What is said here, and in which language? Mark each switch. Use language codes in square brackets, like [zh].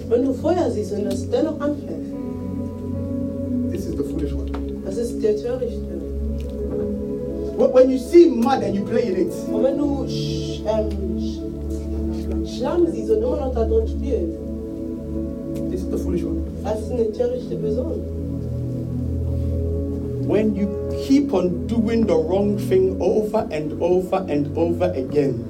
[de] Wenn du Feuer siehst und es dennoch anfängt. [en] This is the foolish one. [de] Das ist der törichte. [en] When you see mud and you play in it. [de] Und wenn du Schlamm siehst und immer noch da drin spielst. [en] This is the foolish one. [de] Das ist eine törichte Person. [en] When you keep on doing the wrong thing over and over and over again.